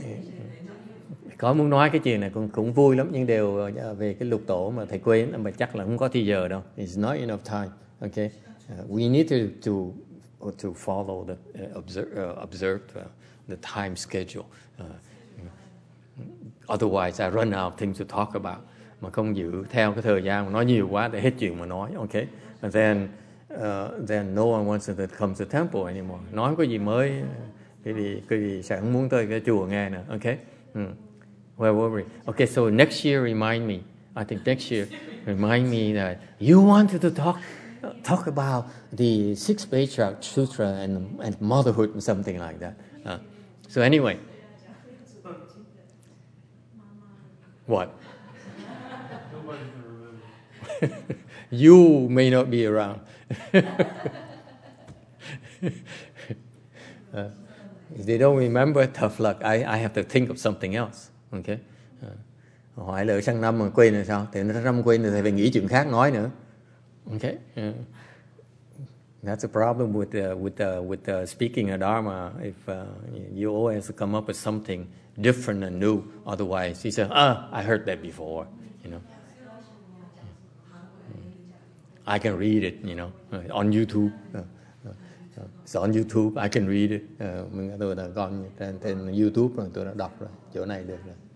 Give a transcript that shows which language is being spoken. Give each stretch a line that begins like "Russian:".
Vietnamese: Okay. Có muốn nói cái chuyện này cũng vui lắm, nhưng đều về cái lục độ mà thầy quên, mà chắc là không có thời giờ đâu.
English: It's not enough time. Okay. We need to follow the observed the time schedule. Otherwise, I run out of things to talk about.
Vietnamese: Mà không giữ theo cái thời gian, nói nhiều quá để hết chuyện mà nói.
English: Okay, and then no one wants to come to temple anymore.
Vietnamese: Nói có gì mới thì cái sẽ không muốn tới cái chùa nghe nữa.
English: Okay, where were we? Okay, so next year remind me. I think next year remind me that you wanted to talk about the Six Patriarch Sutra and motherhood and something like that. So anyway. What? You may not be around. If they don't remember, tough luck. I have to think of something else. Okay.
Vietnamese: Hỏi lỡ sang năm mà quên rồi sao? Thì năm quên rồi thì phải nghĩ chuyện khác nói nữa.
English: Okay. That's a problem with speaking a dharma. If you always come up with something different and new, otherwise, you say, I heard that before, you know. I can read it, you know, on YouTube. It's on YouTube, I can read it.
Vietnamese: Mình tôi đã con trên YouTube rồi, tôi đã đọc rồi, chỗ này được rồi.